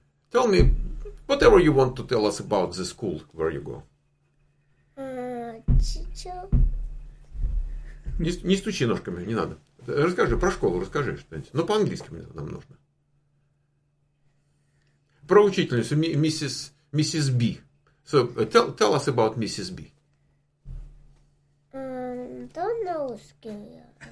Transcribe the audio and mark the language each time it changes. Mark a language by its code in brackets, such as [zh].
[en] Tell me whatever you want to tell us about the school where you go. Чичо. [ru] Не стучи ножками, не надо. Расскажи про школу, расскажи что-нибудь. Ну, по-английски мне нам нужно. Про учительницу, миссис Би. [en] So, tell us about Mrs. B. Don't know русский.